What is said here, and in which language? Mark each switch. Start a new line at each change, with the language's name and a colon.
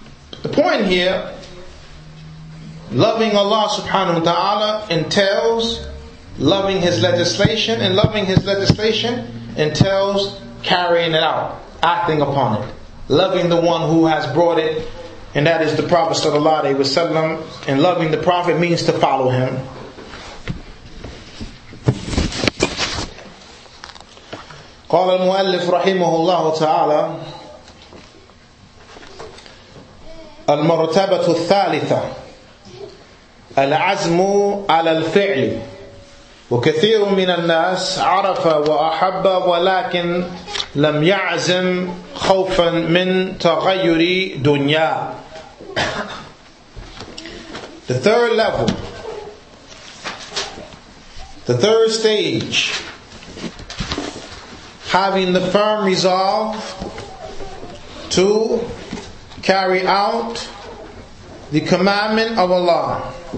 English: But the point here, loving Allah subhanahu wa ta'ala entails loving His legislation, and loving His legislation entails carrying it out, acting upon it, loving the one who has brought it. And that is the Prophet sallallahu alaihi wasallam. And loving the Prophet means to follow him.
Arabic: قال المؤلف رحمه الله تعالى المرتبة الثالثة العزم على الفعل وكثير من الناس عرف وأحب ولكن لم يعزم خوفا من تغير دنيا.
English: The third level, the third stage, having the firm resolve to carry out the commandment of Allah.